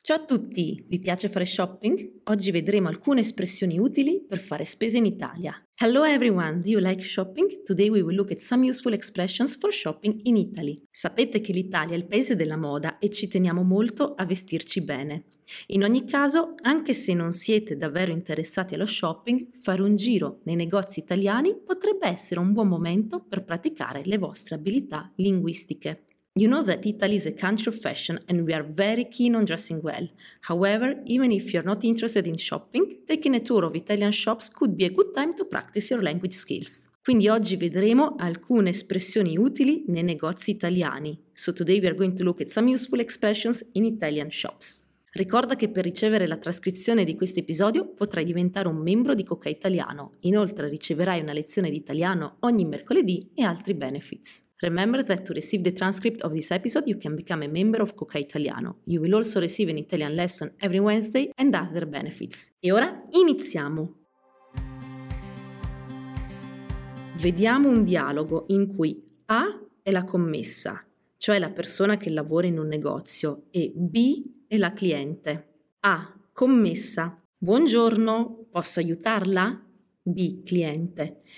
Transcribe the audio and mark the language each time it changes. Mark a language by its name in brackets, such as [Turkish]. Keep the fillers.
[Italian] Ciao a tutti, vi piace fare shopping? Oggi vedremo alcune espressioni utili per fare spese in Italia. [English] Hello everyone, do you like shopping? Today we will look at some useful expressions for shopping in Italy. [Italian] Sapete che l'Italia è il paese della moda e ci teniamo molto a vestirci bene. In ogni caso, anche se non siete davvero interessati allo shopping, fare un giro nei negozi italiani potrebbe essere un buon momento per praticare le vostre abilità linguistiche. [English] You know that Italy is a country of fashion and we are very keen on dressing well. However, even if you're not interested in shopping, taking a tour of Italian shops could be a good time to practice your language skills. [Italian] Quindi oggi vedremo alcune espressioni utili nei negozi italiani. [English] So today we are going to look at some useful expressions in Italian shops. [Italian] Ricorda che per ricevere la trascrizione di questo episodio potrai diventare un membro di Coca Italiano. Inoltre riceverai una lezione di italiano ogni mercoledì e altri benefits. [English] Remember [Italian] che per ricevere [English] the transcript [Italian] di [English] this episode you can become a member Coca Italiano. You will also receive an Italian lesson every Wednesday and other benefits. [Italian] E ora iniziamo! Vediamo un dialogo in cui A è la commessa, cioè la persona che lavora in un negozio, e B è la cliente. A. Commessa. Buongiorno, posso aiutarla? B. Cliente.